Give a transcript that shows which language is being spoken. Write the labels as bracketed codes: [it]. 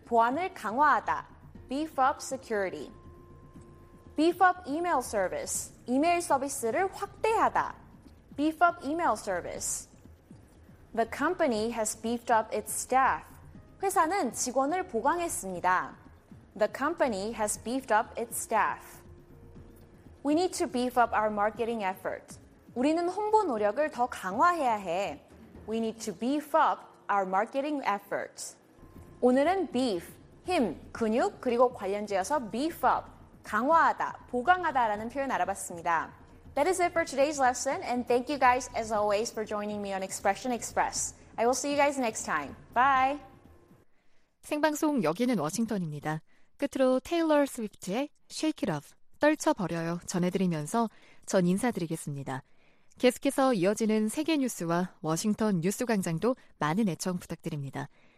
[ko] 보안을 강화하다. Beef up security. Beef up email service, 이메일 서비스를 확대하다. [en] Beef up email service. The company has beefed up its staff. [ko] 회사는 직원을 보강했습니다. [en] The company has beefed up its staff. We need to beef up our marketing effort. [ko] 우리는 홍보 노력을 더 강화해야 해. [en] We need to beef up our marketing effort. 오늘은 [ko] beef, 힘, 근육, 그리고 관련지어서 beef up. 강화하다, 보강하다라는 표현 알아봤습니다. [en] That is it for today's lesson, and thank you guys as always for joining me on Expression Express. I will see you guys next time. Bye! [ko] 생방송 여기는 워싱턴입니다. 끝으로 테일러 스위프트의 Shake It Off, 떨쳐버려요 전해드리면서 전 인사드리겠습니다. 계속해서 이어지는 세계 뉴스와 워싱턴 뉴스 광장도 많은 애청 부탁드립니다.